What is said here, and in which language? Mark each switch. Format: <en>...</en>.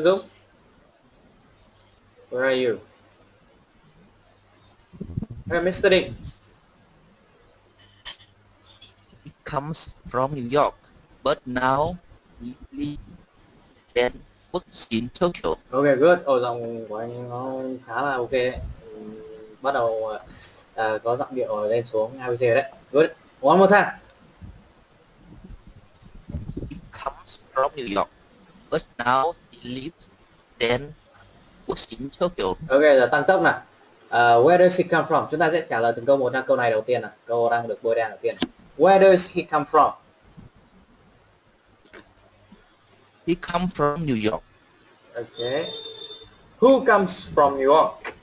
<en>Dũng, where are you? Hey, Mr. Ding. comes from New York, but now he lives and works in Tokyo. Ok, good.</en> <vi>Ồ, giọng của anh nó khá là ok. Bắt đầu có giọng điệu lên xuống ABC đấy.</vi> <en>Good. One more time. He comes from New York, but now he lives and works in Tokyo.</en> <vi>Ok, giờ tăng tốc nào.</vi> <en>Where does he come from?</en> <vi>Chúng ta sẽ trả lời từng câu một trong câu này đầu tiên nào. Câu đang được bôi đen đầu tiên.</vi> <en>Where does he come from? He comes from New York. Okay. Who comes from New York?</en>